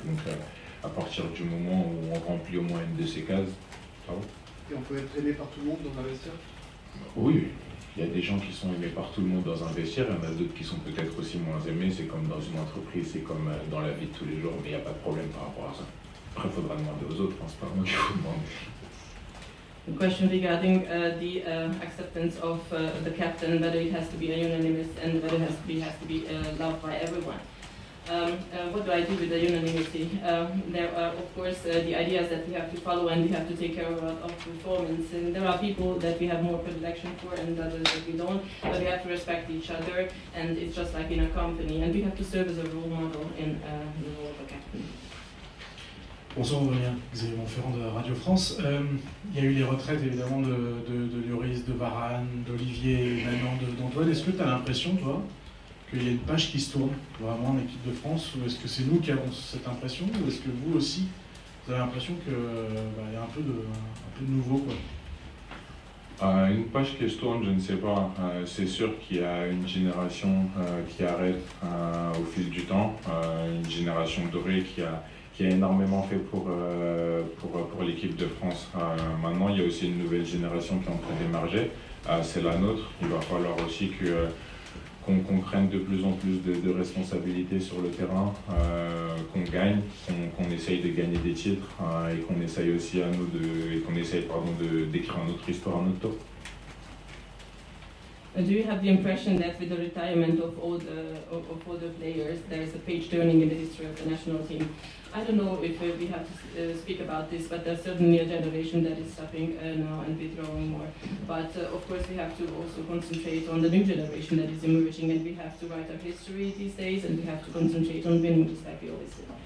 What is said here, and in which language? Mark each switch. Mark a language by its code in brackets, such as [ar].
[fr] Donc, à partir du moment où on remplit au moins une de ces cases, ça va. Et on peut être aimé par tout le monde dans un vestiaire? Oui, il y a des gens qui sont aimés par tout le monde dans un vestiaire, il y en a d'autres qui sont peut-être aussi moins aimés. C'est comme dans une entreprise, c'est comme dans la vie de tous les jours, mais il n'y a pas de problème par rapport à ça. Après, il faudra demander aux autres, hein, c'est pas moi qui vous demande. [en] The question regarding the acceptance of the captain, whether it has to be unanimous and whether it has to be loved by everyone. What do I do with the unanimity? There are, of course, the ideas that we have to follow and we have to take care of performance. And there are people that we have more predilection for and others that we don't, but we have to respect each other, and it's just like in a company. And we have to serve as a role model in the role of a captain. [fr] Bonsoir Aurélien, Xavier Monferrand de Radio France. Il y a eu les retraites évidemment de Lloris, de Varane, d'Olivier, maintenant d'Antoine. Est-ce que tu as l'impression, toi, qu'il y a une page qui se tourne vraiment en équipe de France? Ou est-ce que c'est nous qui avons cette impression? Ou est-ce que vous aussi, vous avez l'impression qu'il y a un peu de nouveau, quoi? Une page qui se tourne, je ne sais pas. C'est sûr qu'il y a une génération qui arrête au fil du temps, une génération dorée qui a énormément fait pour l'équipe de France. Maintenant, il y a aussi une nouvelle génération qui est en train d'émerger. C'est la nôtre. Il va falloir aussi qu'on prenne de plus en plus de responsabilités sur le terrain, qu'on gagne, qu'on essaye de gagner des titres et qu'on essaye aussi à nous d'écrire une autre histoire à notre tour. [en] Do you have the impression that with the retirement of all the players, there is a page turning in the history of the national team? I don't know if we have to speak about this, but there's certainly a generation that is stopping now and withdrawing more. But of course, we have to also concentrate on the new generation that is emerging, and we have to write our history these days, and we have to concentrate on winning, just like we always did.